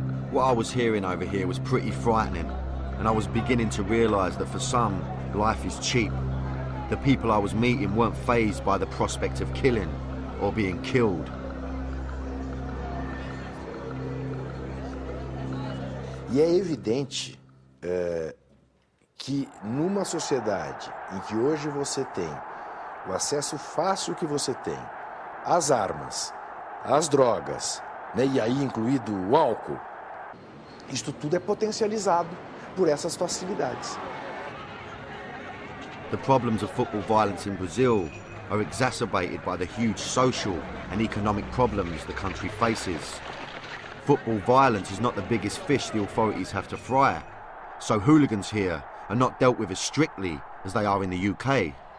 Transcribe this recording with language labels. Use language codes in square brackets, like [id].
[en] What I was hearing over here was pretty frightening, and I was beginning to realize that for some, life is cheap. The people I was meeting weren't fazed by the prospect of killing or being killed. [pt] E é evidente que numa sociedade em que hoje você tem o acesso fácil que você tem às armas, às drogas, né, e aí incluído o álcool, isto tudo é potencializado por essas facilidades. [en] The problems of football violence in Brazil are exacerbated by the huge social and economic problems the country faces. Football violence is not the biggest fish the authorities have to fry, so hooligans here are not dealt with as strictly as they are in the UK.